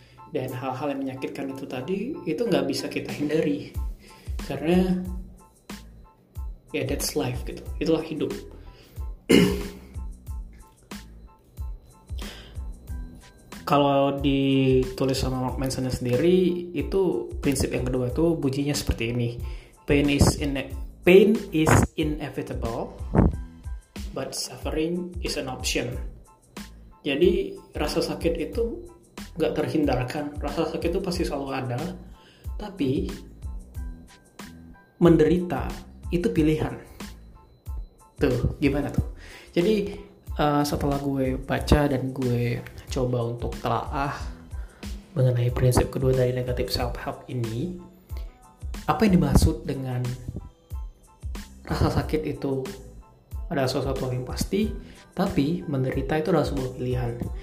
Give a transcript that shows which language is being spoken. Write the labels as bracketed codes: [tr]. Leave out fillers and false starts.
[id] Dan hal-hal yang menyakitkan itu tadi, itu gak bisa kita hindari, karena ya [en] yeah, that's life [id] gitu, itulah hidup. Kalau ditulis sama Mark Manson sendiri, itu prinsip yang kedua itu bunyinya seperti ini. [en] Pain is inevitable, but suffering is an option. [id] Jadi, rasa sakit itu gak terhindarkan. Rasa sakit itu pasti selalu ada. Tapi, menderita itu pilihan. Tuh, gimana tuh? Jadi, setelah gue baca dan gue coba untuk telaah mengenai prinsip kedua dari negative self-help ini, apa yang dimaksud dengan rasa sakit itu adalah sesuatu yang pasti, tapi menderita itu adalah sebuah pilihan.